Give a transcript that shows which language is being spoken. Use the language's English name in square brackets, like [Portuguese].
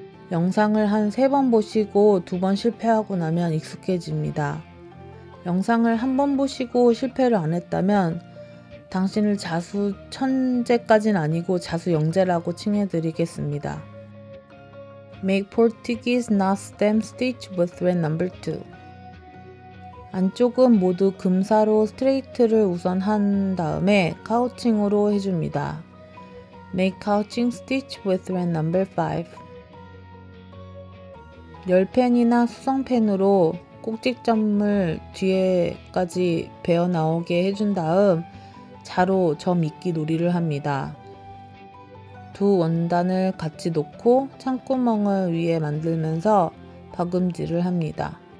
[Korean] 영상을 한 세 번 보시고 두 번 실패하고 나면 익숙해집니다. 영상을 한 번 보시고 실패를 안 했다면 당신을 자수 천재까진 아니고 자수 영재라고 칭해드리겠습니다. [English] Make Portuguese knot stem stitch with thread number 2. [Korean] 안쪽은 모두 금사로 스트레이트를 우선 한 다음에 카우칭으로 해줍니다. [English] Make couching stitch with thread number 5. [Korean] 열펜이나 수성펜으로 꼭지점을 뒤에까지 베어 나오게 해준 다음 자로 저 미끼 놀이를 합니다. 두 원단을 같이 놓고 창구멍을 위에 만들면서 박음질을 합니다.